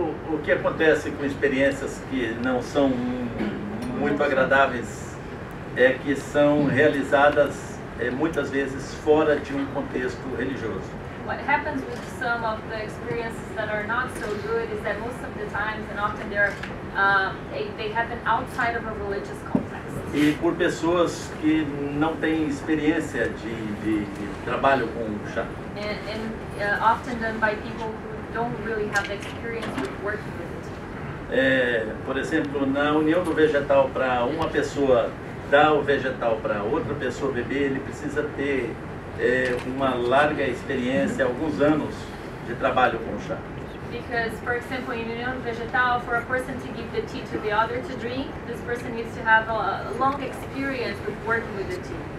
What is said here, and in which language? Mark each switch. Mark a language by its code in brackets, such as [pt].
[pt] O que acontece com experiências que não são muito agradáveis é que são realizadas muitas vezes fora de um contexto religioso. [en] What happens with some of the experiences that are not so good is that most of the times and often they happen outside of a religious context. [pt] E por pessoas que não têm experiência de trabalho com o chá. [en] And often done by people don't really have experience with working with it. [pt] Por exemplo, na união do vegetal para uma pessoa dar o vegetal para outra pessoa beber, ele precisa ter uma larga experiência, alguns anos de trabalho com o chá. [en] Because, for example, in union vegetal, for a person to give the tea to the other to drink, this person needs to have a long experience with working with the tea.